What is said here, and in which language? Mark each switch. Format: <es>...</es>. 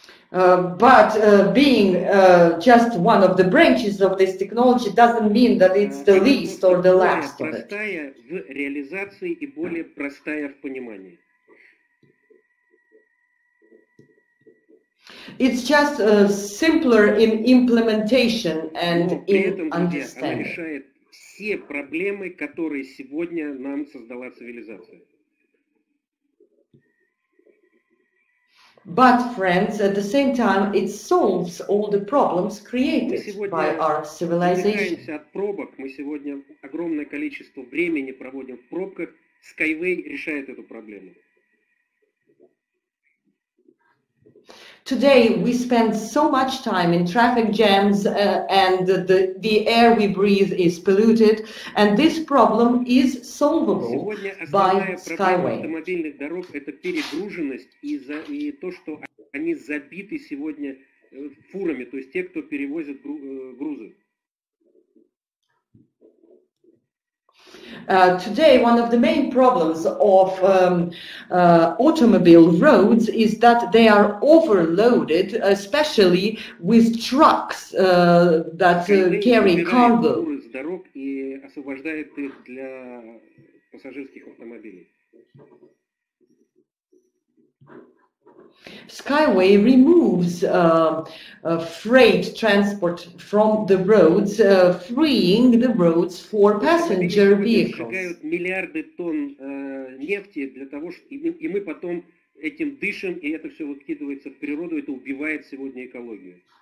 <en>But being just one of the branches of this technology doesn't mean that it's the least or the last of it.</en> <ru>Простая в реализации и более простая в понимании.</ru> <en>It's just simpler in implementation and in understanding.</en> <ru>Она решает все проблемы, которые сегодня нам создала цивилизация.</ru> <en>But friends, at the same time, it solves all the problems created by our civilization.</en> <ru>От пробок мы сегодня огромное количество времени проводим в пробках. SkyWay решает эту проблему.</ru> <en>Today we spend so much time in traffic jams and the air we breathe is polluted, and this problem is solvable by SkyWay.</en> <ru>Автомобильных дорог это перегруженность и то, что они забиты сегодня фурами, то есть те, кто перевозит грузы.</ru> <en>Today, one of the main problems of automobile roads is that they are overloaded, especially with trucks that carry cargo. SkyWay removes freight transport from the roads, freeing the roads for passenger vehicles.</en> <ru>Сжигают миллиарды тонн нефти для того, чтобы и мы потом этим дышим, и это все выкидывается в природу, это убивает сегодня экологию.</ru>